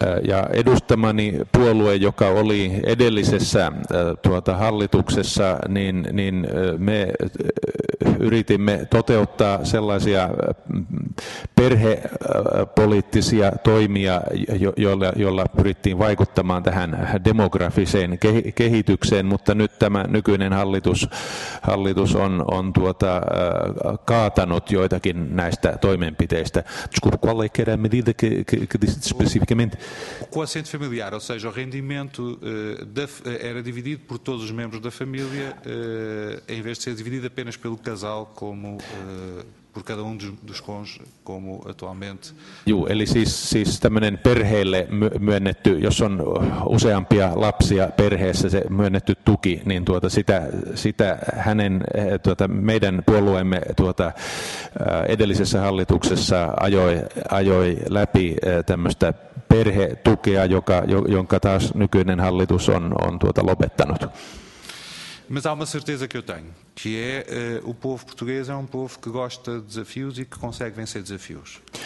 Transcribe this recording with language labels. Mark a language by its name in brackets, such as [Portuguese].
[Finnish] Ja edustamani puolue, joka oli edellisessä hallituksessa, niin me yritimme toteuttaa sellaisia perhepoliittisia toimia, joilla pyrittiin vaikuttamaan tähän demografiseen kehitykseen, mutta nyt tämä nykyinen hallitus on kaatanut joitakin näistä toimenpiteistä. [Portuguese] O quociente familiar, ou seja, o rendimento era dividido por todos os membros da família, em vez de ser dividido apenas pelo casal, como por cada dos cônjuges, como atualmente. [Finnish] Joo, eli siis tämmöinen perheelle myönnetty, jos on useampia lapsia perheessä, se myönnetty tuki, niin sitä hänen meidän puolueemme edellisessä hallituksessa ajoi läpi tämmöistä perhetukea, jonka taas nykyinen hallitus on lopettanut. [Portuguese] Mas há uma certeza que eu tenho, que é o povo português é um povo que gosta de desafios e que consegue vencer desafios.